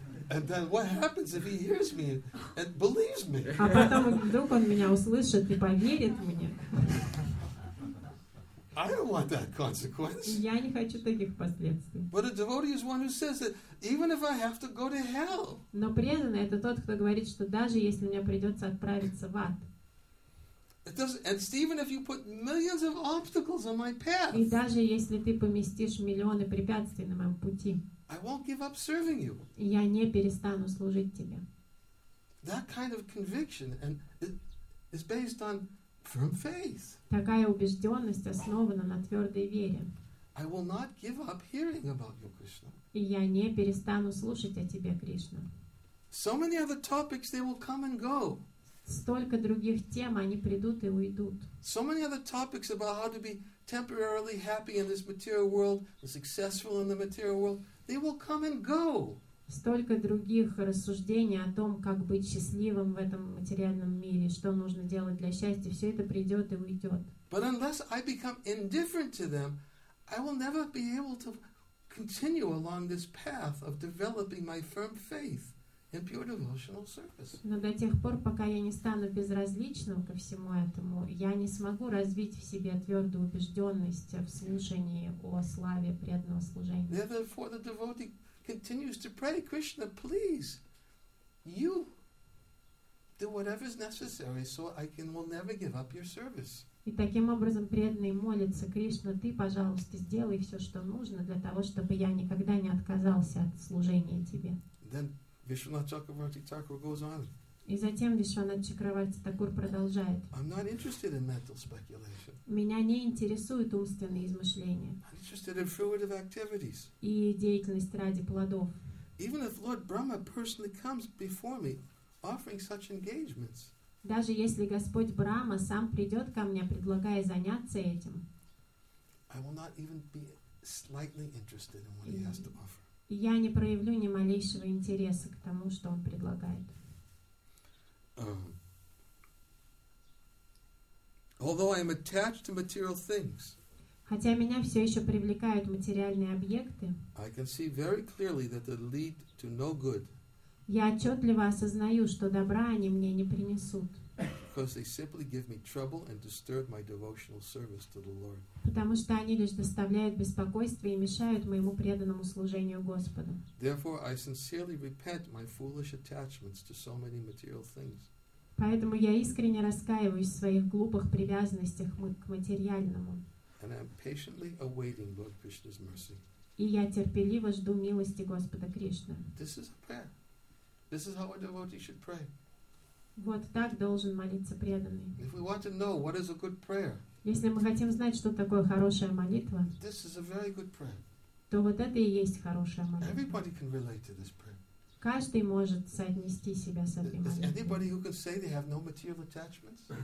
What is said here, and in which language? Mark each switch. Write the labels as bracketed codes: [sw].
[en] And then what happens if he hears me and believes me? [ru] А потом вдруг он меня услышит и поверит мне. [en] I don't want that consequence. [ru] Я не хочу таких последствий. [en] But a devotee is one who says that even if I have to go to hell. [ru] Но преданный это тот, кто говорит, что даже если мне придется отправиться в ад. [en] And Stephen, if you put millions of obstacles on my path. [ru] И даже если ты поместишь миллионы препятствий на моем пути. [en] I won't give up serving you. [ru] Я не перестану служить тебе. [en] That kind of conviction and is based on firm faith. [ru] Такая убежденность основана на твердой вере. [en] I will not give up hearing about you, Krishna. [ru] И я не перестану слушать о тебе, Кришна. [en] So many other topics they will come and go. [ru] Столько других тем, они придут и уйдут. [en] So many other topics about how to be temporarily happy in this material world, successful in the material world. They will come and go. [ru] Столько других рассуждений о том, как быть счастливым в этом материальном мире, что нужно делать для счастья, все это придет и уйдет. [en] But unless I become indifferent to them, I will never be able to continue along this path of developing my firm faith in pure devotional service. [ru] Но до тех пор, пока я не стану безразличным ко всему этому, я не смогу развить в себе твердую убежденность в слушании о славе преданного служения. [en] Therefore, the devotee continues to pray, Krishna, please, you do whatever is necessary so I can will never give up your service. [ru] И таким образом преданный молится, Кришна, ты, пожалуйста, сделай все, что нужно для того, чтобы я никогда не отказался от служения тебе. [en] Then Vishwanath Chakravarti Thakur goes on. [ru] И затем Вишванат Чакраварти Такур продолжает. [en] I'm not interested in mental speculation. [ru] Меня не интересуют умственные измышления. [en] I'm interested in fruitive activities. [ru] И деятельность ради плодов. [en] Even if Lord Brahma personally comes before me offering such engagements. [ru] Даже если Господь Брама сам придет ко мне, предлагая заняться этим. [en] I will not even be slightly interested in what he has to offer. [ru] Я не проявлю ни малейшего интереса к тому, что он предлагает. [en] Although I am attached to material things, [ru] хотя меня все еще привлекают материальные объекты, [en] I can see very clearly that they lead to no good. [ru] Я отчетливо осознаю, что добра они мне не принесут. [en] Because they simply give me trouble and disturb my devotional service to the Lord. [ru] Потому что они лишь доставляют беспокойство и мешают моему преданному служению Господу. [en] Therefore, I sincerely repent my foolish attachments to so many material things. [ru] Поэтому я искренне раскаиваюсь в своих глупых привязанностях к материальному. [en] And I am patiently awaiting Lord Krishna's mercy. [ru] И я терпеливо жду милости Господа Кришны. [en] This is a prayer. This is how a devotee should pray. [ru] Вот так должен молиться преданный. [en] If we want to know what is a good prayer, [ru] если мы хотим знать, что такое хорошая молитва, [en] this is a very good prayer. [ru] То вот это и есть хорошая молитва. [en] Everybody can relate to this prayer. [ru] Каждый может соотнести себя с этой молитвой. [en] Is anybody who can say they have no material attachments?